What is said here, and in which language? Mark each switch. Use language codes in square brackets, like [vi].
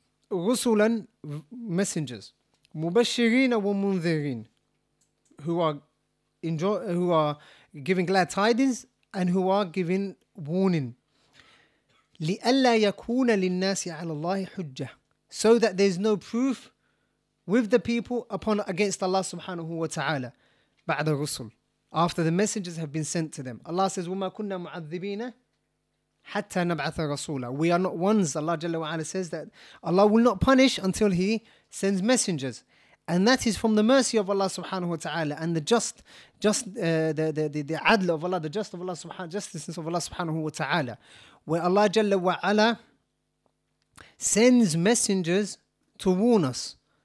[en] Rusulan, messengers. Mubashirin wa munzirin, who are giving glad tidings and who are given warning. [ar] لِأَلَّا يَكُونَ لِلنَّاسِ عَلَى اللَّهِ حُجَّةِ, [en] so that there's no proof with the people upon against Allah subhanahu wa ta'ala, [ar] بعد الرسل, [en] after the messengers have been sent to them. Allah says, [ar] وَمَا كُنَّا مُعَذِّبِينَ حَتَّى نَبْعَثَ رَسُولًا. [en] We are not ones, Allah Jalla wa'ala says, that Allah will not punish until He sends messengers. And that is from the mercy of Allah subhanahu wa ta'ala, and the justice adl of Allah, the just of Allah subhanahu, justice of Allah subhanahu wa ta'ala, where Allah Jalla wa'ala sends messengers to warn us.